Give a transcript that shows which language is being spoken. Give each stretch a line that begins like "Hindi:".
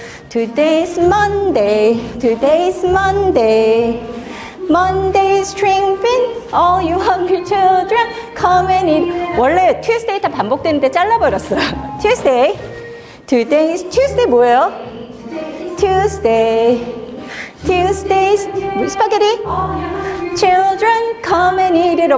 English: Today's Monday, today's Monday. Monday's string bean, all you hungry children, come and eat.
Korean: 원래 Tuesday 다 반복되는데 잘라버렸어요.
English: Tuesday, today's Tuesday
Korean: 뭐예요?
English: Tuesday, Tuesday's spaghetti. Children, come and eat it.